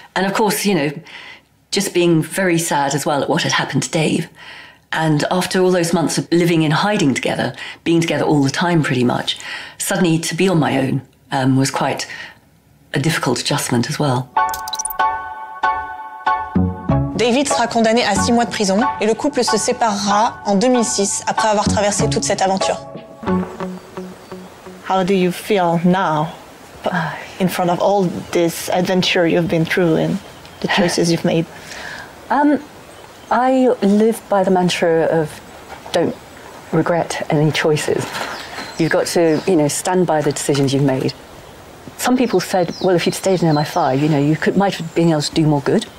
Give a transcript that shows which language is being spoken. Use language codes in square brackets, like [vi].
[en] And of course, you know, just being very sad as well at what had happened to Dave. And after all those months of living in hiding together, being together all the time pretty much, suddenly to be on my own was quite a difficult adjustment as well. [fr] David sera condamné à 6 mois de prison et le couple se séparera en 2006 après avoir traversé toute cette aventure. [en] How do you feel now in front of all this adventure you've been through and the choices you've made? I live by the mantra of don't regret any choices. You've got to, you know, stand by the decisions you've made. Some people said, well, if you'd stayed in MI5, you know, you could, might have been able to do more good.